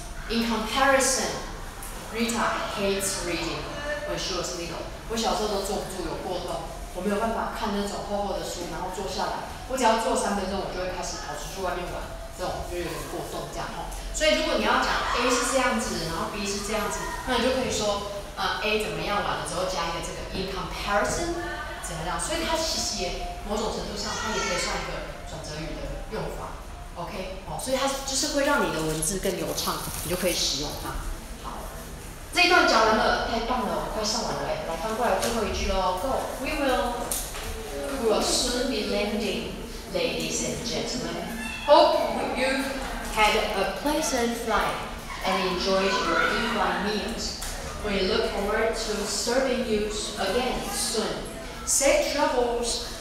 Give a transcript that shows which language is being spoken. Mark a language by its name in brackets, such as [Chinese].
[English] In comparison, Rita hates reading when she was little。 [Chinese] 我小时候都坐不住，有过动。我没有办法看那种厚厚的书，然后坐下来，我只要坐三分钟，我就会开始跑出去外面玩，这种就有点过动这样。所以如果你要讲 A 是这样子，然后 B 是这样子，那你就可以说，A 怎么样玩了之后加一个这个 in comparison 怎么样？所以它其实也某种程度上，它也可以算一个转折语的用法。 OK， 哦，所以它就是会让你的文字更流畅，你就可以使用它。这一段讲完了，太棒了，我快上完了哎！来翻过来最后一句喽 [English] ，Go， we will， we will soon be landing， ladies and gentlemen， hope you had a pleasant flight and enjoyed your in-flight meals， we look forward to serving you again soon， safe travels。